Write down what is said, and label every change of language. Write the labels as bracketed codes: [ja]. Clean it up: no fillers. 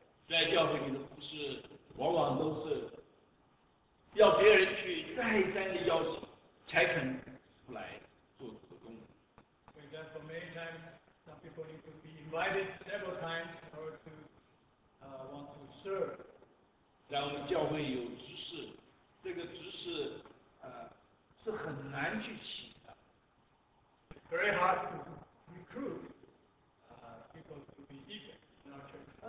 [zh] 在教会里的服事，往往都是要别人去再三的邀请，才肯出来做主的工。 [en] For example, many times some people need to be invited several times in order to want to serve. [zh] 然后教会有执事，这个执事是很难去请的。 [en] Very hard to recruit people to be deacons in our church.